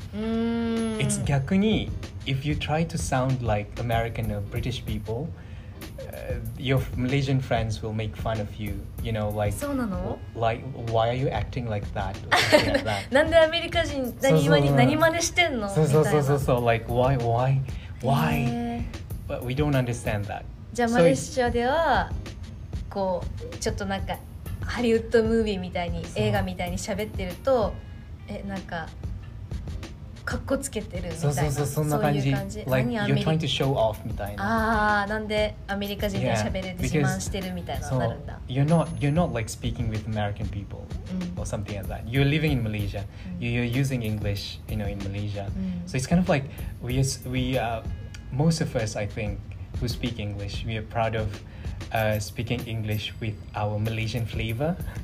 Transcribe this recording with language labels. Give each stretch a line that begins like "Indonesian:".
English: It's
Japanese: 逆に
English: if you try to sound like American or British people, your Malaysian friends will make fun of you, you know, like,
Japanese: そうなの?
English: Like why are you acting like that?
Japanese: なんでアメリカ人何真似してんの? そうそうそうそう、
English: like why? But we don't understand that.
Japanese: じゃあマレーシアではこうちょっとなんかハリウッドムービーみたいに映画みたいに喋ってると、なんかかっこつけてるみたいな。そうそうそう、そんな感じ。
English: Like, you're trying to show off
Japanese: みたいな。ああ、なんでアメリカ人で喋れて自慢してるみたいなのになるんだ。
English: So, you're not like speaking with American people or something like that. You're living in Malaysia. You're using English, you know, in Malaysia. So it's kind of like most of us, I think, who speak English, we are proud of speaking English with our Malaysian flavor.